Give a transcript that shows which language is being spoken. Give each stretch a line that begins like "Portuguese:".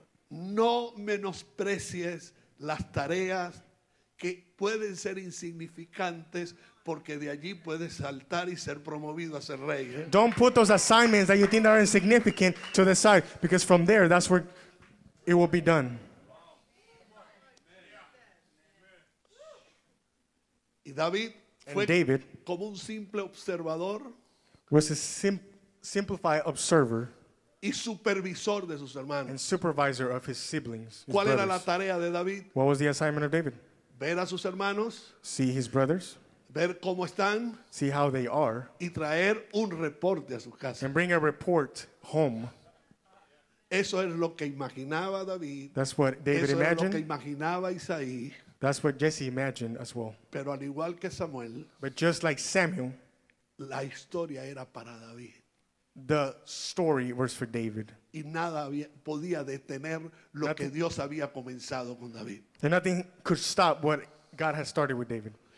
Spanish: No menosprecies las tareas que pueden ser insignificantes porque de allí puedes saltar y ser promovido a ser rey. ¿Eh?
English: Don't put those assignments that you think are insignificant to the side because from there that's where it will be done.
Spanish: Y David fue
English: David
Spanish: como un simple observador
English: was a simplified observer
Spanish: y supervisor de sus hermanos.
English: And supervisor of his siblings. His
Spanish: ¿cuál
English: brothers.
Spanish: Era la tarea de David?
English: What was the assignment of David?
Spanish: Ver a sus hermanos.
English: See his brothers.
Spanish: Ver cómo están.
English: See how they are.
Spanish: Y traer un reporte a su casa.
English: And bring a report home.
Spanish: Eso es lo que imaginaba David.
English: That's what David
Spanish: eso
English: imagined.
Spanish: Eso es lo que imaginaba Isaí.
English: That's what Jesse imagined as well.
Spanish: Pero al igual que Samuel.
English: But just like Samuel.
Spanish: La historia era para David.
English: The story was for David.
Spanish: Y nada había, podía detener lo
English: nothing,
Spanish: que Dios había comenzado con David.
English: And nothing could stop what God had started with David.